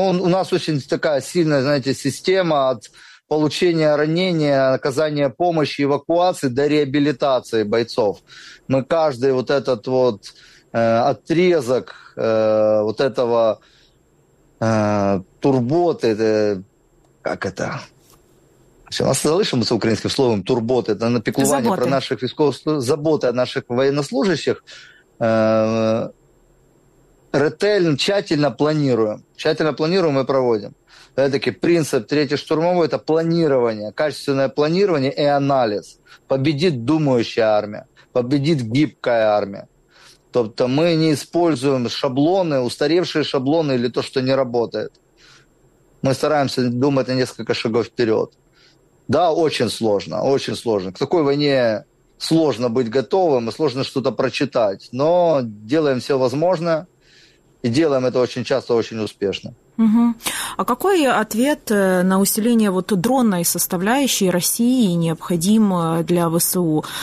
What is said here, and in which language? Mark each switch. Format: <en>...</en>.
<ru>Ну, у нас очень такая сильная, знаете, система от получения ранения, оказания помощи, эвакуации до реабилитации бойцов. Мы каждый вот этот вот отрезок вот этого турботы, как это,</ru> <uk>Все, нас залишимося українським словом турботи, та на піклування про наших військових,</uk> <ru>заботи о наших воєнослужащих.</ru> <uk>Ретельно,</uk> <ru>тщательно</ru> <uk>планируємо. Тщательно планируємо і проводимо. Це такий принцип третій штурмової – це планування, качественне планування і аналіз. Победить думаюча армія, победить гибка армія. Тобто ми не используємо шаблони, устаревші шаблони або те, що не працює. Ми стараємося думати</uk> <ru>несколько шагів</ru> <uk>вперед.</uk> <ru>Да, очень сложно, очень сложно. К такой войне сложно быть готовым и сложно что-то прочитать. Но делаем все возможное и делаем это очень часто, очень успешно. Угу. А какой ответ на усиление вот дронной составляющей России необходим для ВСУ?</ru>